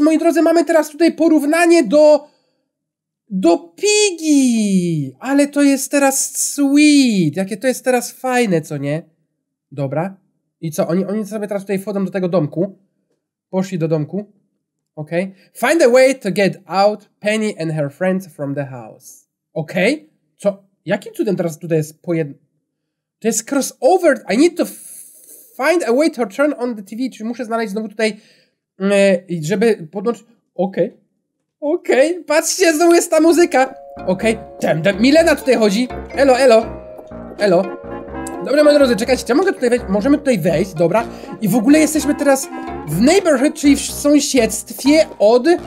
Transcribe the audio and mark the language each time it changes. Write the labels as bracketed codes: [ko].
[pl] Moi drodzy, mamy teraz tutaj porównanie do... Do Piggy! Ale to jest teraz sweet! Jakie to jest teraz fajne, co nie? Dobra. I co? Oni sobie teraz tutaj wchodzą do tego domku. Poszli do domku. Okej. Okay. [en] Find a way to get out Penny and her friends from the house. [pl] Okej. Okay. Co? Jakim cudem teraz tutaj jest to jest crossover. [en] I need to find a way to turn on the TV. [pl] Czyli muszę znaleźć znowu tutaj, żeby podłączyć. Okej. Okay. Okej. Okay. Patrzcie, znowu jest ta muzyka. Okej. Okay. Milena tutaj chodzi. Elo, elo. Elo. Dobra, moi drodzy, czekajcie. Czy mogę tutaj wejść? Możemy tutaj wejść, dobra. I w ogóle jesteśmy teraz w neighborhood, czyli w sąsiedztwie od...